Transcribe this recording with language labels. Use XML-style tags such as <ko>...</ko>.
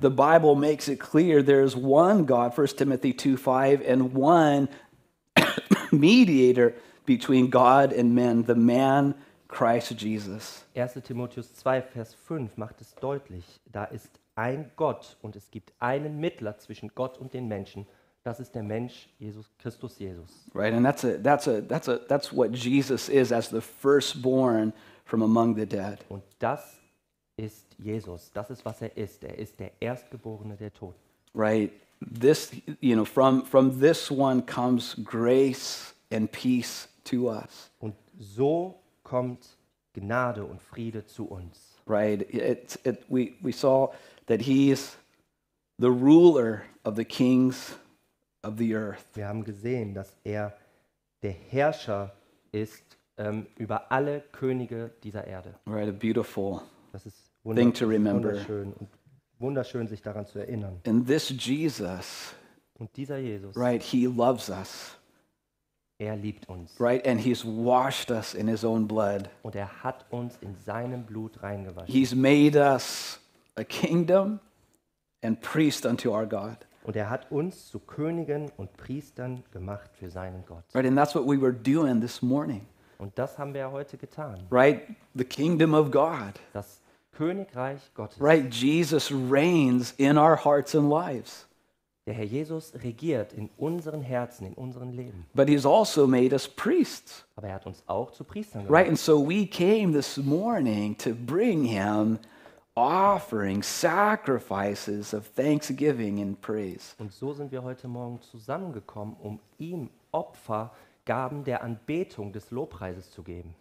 <en>The Bible makes it clear there's one God, 1 Timothy 2:5, and one mediator between God and men, the man Christ Jesus.</en> <de>1. Timotheus 2, Vers 5 macht es deutlich, da ist ein Gott und es gibt einen Mittler zwischen Gott und den Menschen. Das ist der Mensch, Jesus Christus Jesus.</de> <en>Right, and that's what Jesus is as the firstborn from among the dead.</en> <de>Und das ist Jesus. Das ist, was er ist. Er ist der Erstgeborene der Toten.</de> <en>Right, this, you know, from this one comes grace and peace to us.</en> <de>Und so kommt Gnade und Friede zu uns.</de> <en>Right, we saw that he is the ruler of the kings of the earth.</en> <de>Wir haben gesehen, dass er der Herrscher ist über alle Könige dieser Erde.</de> <en>Right, a beautiful</en> <de>das ist</de> <en>thing to remember.</en> <de>Wunderschön und wunderschön, sich daran zu erinnern.</de> <en>And this Jesus,</en> <de>und dieser Jesus,</de> <en>right, he loves us.</en> <de>Er liebt uns.</de> <en>Right, and he's washed us in his own blood.</en> <de>Und er hat uns in seinem Blut reingewaschen.</de> <en>He's made us a kingdom and priest unto our God.</en> <de>Und er hat uns zu Königen und Priestern gemacht für seinen Gott.</de> <en>Right, and that's what we were doing this morning.</en> <de>Und das haben wir heute getan.</de> <en>Right, the kingdom of God.</en> <de>Das Königreich Gottes.</de> <en>Right, Jesus reigns in our hearts and lives.</en> <de>Der Herr Jesus regiert in unseren Herzen, in unseren Leben.</de> <en>But he's also made us priests.</en> <de>Aber er hat uns auch zu Priestern gemacht.</de> <en>Right, and so we came this morning to bring him offering sacrifices of thanksgiving and praise.</en> <de>Und so sind wir heute Morgen zusammengekommen, um ihm Opfer, Gaben der Anbetung, des Lobpreises zu geben.</de>